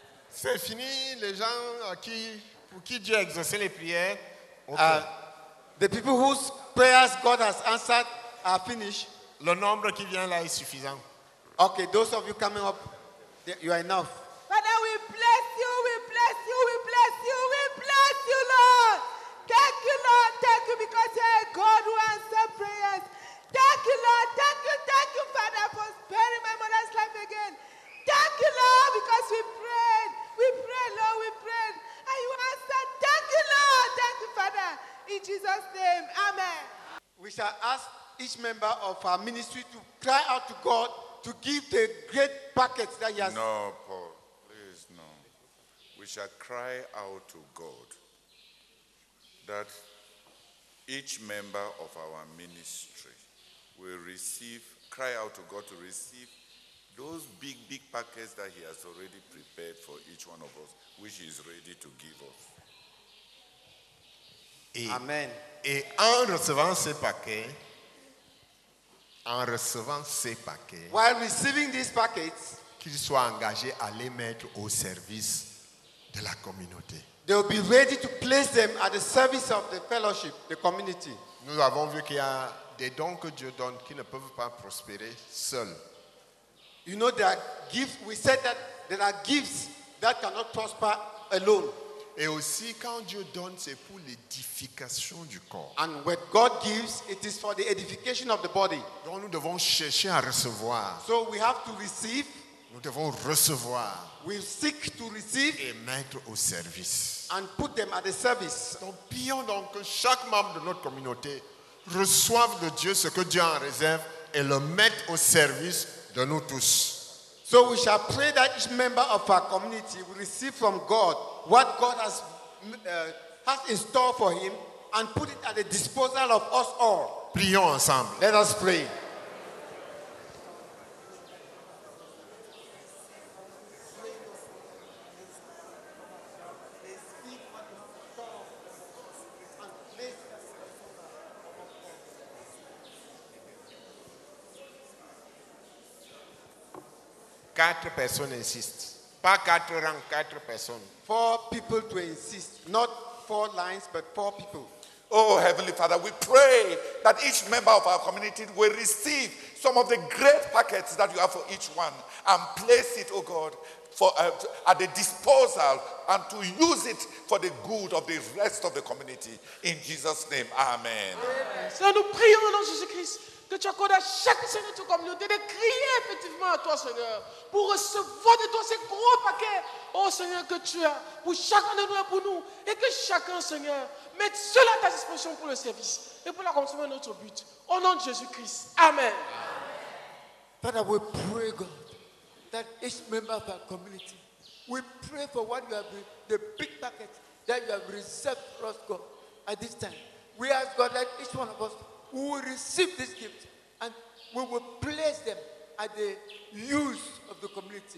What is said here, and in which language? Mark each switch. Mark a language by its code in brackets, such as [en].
[fr] C'est fini les gens qui pour qui Dieu a exaucé les prières. [en] The people whose prayers God has answered are finished. [fr] Le nombre qui vient là est suffisant. [en] Okay, those of you coming up, you are enough. Father, we bless you, we bless you, we bless you, we bless you, Lord. Thank you, Lord, thank you, because you are a God who answers prayers. Thank you, Lord, thank you, Father, for sparing my mother's life again. Thank you, Lord, because we prayed, Lord, we prayed, and you answered. Thank you, Lord, thank you, Father, in Jesus' name, amen. We shall ask each member of our ministry to cry out to God to give the great packet that he has. No, Paul. No, we shall cry out to God that each member of our ministry will receive, cry out to God to receive those big, big packets that he has already prepared for each one of us, which he is ready to give us. Amen. [fr] Et en recevant ces paquets, en recevant ces paquets, [en] while receiving these packets, [fr] qu'ils soient engagés à les mettre au service de la communauté. [en] They will be ready to place them at the service of the fellowship, the community. [fr] Nous avons vu qu'il y a des dons que Dieu donne qui ne peuvent pas prospérer seuls. [en] You know there are gifts. We said that there are gifts that cannot prosper alone. [fr] Et aussi quand Dieu donne, c'est pour l'édification du corps. [en] And when God gives, it is for the edification of the body. [fr] Donc nous devons chercher à recevoir. [en] So we have to receive. [fr] Nous devons recevoir. [en] We seek to receive [fr] et mettre au service. [en] And put them at the service. [fr] Donc, prions donc que chaque membre de notre communauté reçoive de Dieu ce que Dieu en réserve et le mette au service de nous tous. [en] So we shall pray that each member of our community will receive from God what God has in store for him and put it at the disposal of us all. [fr] Prions ensemble. [en] Let us pray. [fr] Quatre personnes insistent. Pas quatre rangs, quatre personnes. [en] Four people to insist. Not four lines, but four people. Oh, Heavenly Father, we pray that each member of our community will receive some of the great packets that you have for each one and place it, oh God, for at the disposal and to use it for the good of the rest of the community. In Jesus' name, amen. [fr] Amen. Nous prions au nom de Jésus-Christ. Que tu accordes à chaque Seigneur de ta communauté de crier effectivement à toi, Seigneur, pour recevoir de toi ces gros paquets, oh Seigneur, que tu as pour chacun de nous et pour nous, et que chacun, Seigneur, mette cela à ta disposition pour le service et pour l'accomplissement de notre but. Au nom de Jésus-Christ, amen. [en] Father, we pray, God, that each member of our community, we pray for what you have, the big packet that you have reserved for us, God, at this time. We ask, God, that each one of us, we will receive this gift and we will place them at the use of the community.